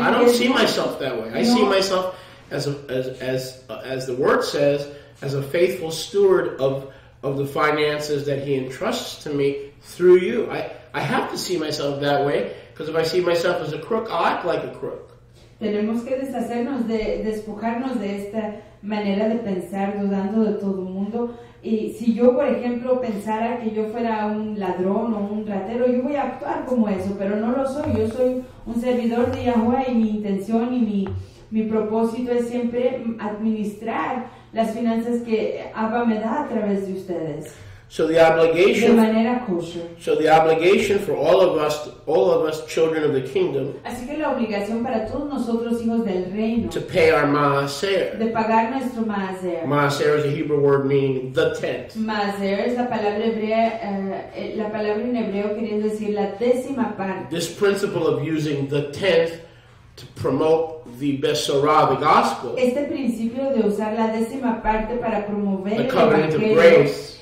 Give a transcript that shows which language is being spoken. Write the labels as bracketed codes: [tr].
[en] I don't see myself that way. No. I see myself as the word says, as a faithful steward of the finances that he entrusts to me through you. I have to see myself that way, because if I see myself as a crook, I'll act like a crook. [es] Tenemos que deshacernos de despojarnos de esta manera de pensar, dudando de todo el mundo. Y si yo, por ejemplo, pensara que yo fuera un ladrón o un ratero, yo voy a actuar como eso, pero no lo soy. Yo soy un servidor de Yahweh y mi intención y mi propósito es siempre administrar las finanzas que Abba me da a través de ustedes. [en] So the obligation, [es] de manera kosher. [en] So the obligation for all of us children of the kingdom, [es] así que la obligación para todos nosotros hijos del reino, [en] to pay our maaser, [es] de pagar nuestro maaser. [en] Maaser is a Hebrew word meaning the tenth. [es] Maaser es la palabra hebrea, la palabra en hebreo queriendo decir la décima parte. [en] This principle of using the tenth to promote the Besorah, the gospel, [es] este principio de usar la décima parte para promover [en] the covenant of grace,